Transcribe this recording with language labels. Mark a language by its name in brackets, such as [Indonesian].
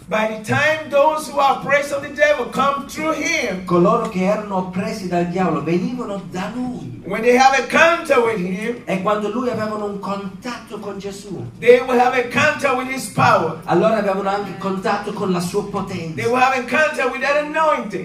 [English] By the time those who are oppressed of the devil come through him. [Italian] Coloro che erano oppressi dal diavolo venivano da lui. [English] When they have a encounter with him. [Italian] E quando lui avevano un contatto con Gesù. [English] They will have a encounter with his power. [Italian] Allora avevano anche contatto con la sua potenza. [English] They will have a encounter with that anointing.